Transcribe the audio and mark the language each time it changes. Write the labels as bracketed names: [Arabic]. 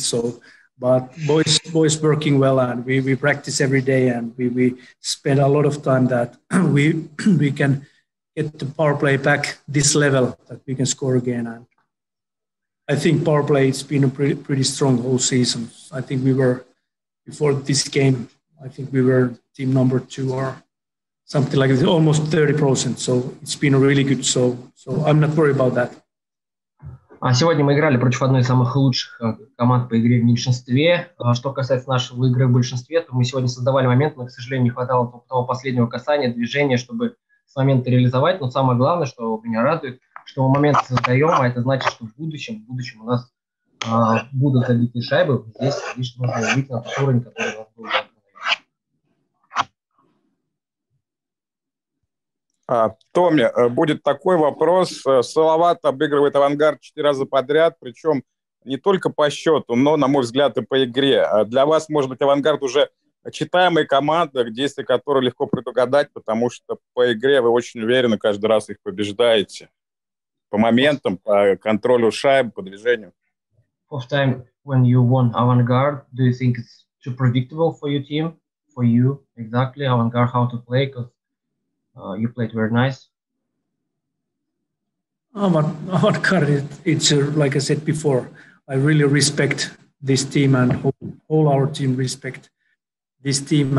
[English] So, but boys working well, and we practice every day, and we spend a lot of time that we can get the power play back this level that we can score again. And I think power play has been a pretty strong whole season. I think we were, before this game, I think we were team number two or something like that, almost 30%. So it's been really good. So I'm not worried about that. [Russian] А сегодня мы играли против одной из самых лучших команд по игре в меньшинстве. Что касается нашего игры в большинстве, то мы сегодня создавали момент, но, к сожалению, не хватало того последнего касания, движения, чтобы с момента реализовать. Но самое главное, что меня радует, что мы момент создаем, а это значит, что в будущем у нас будут забиты шайбы. Здесь лишь нужно увидеть на тот уровень, который у нас был. Томми, будет такой вопрос. Салават обыгрывает «Авангард» 4 раза подряд, причем не только по счету, но, на мой взгляд, и по игре. Для вас, может быть, «Авангард» уже читаемая команда, действия которой легко предугадать, потому что по игре вы очень уверенно каждый раз их побеждаете. По моментам, по контролю шайб, по движению. [English] First time when you won «Авангард», do you think it's too predictable for your team? For you, exactly, «Авангард», how to play? You played very nice. Avangard, it's like I said before, I really respect this team, and all our team respect this team.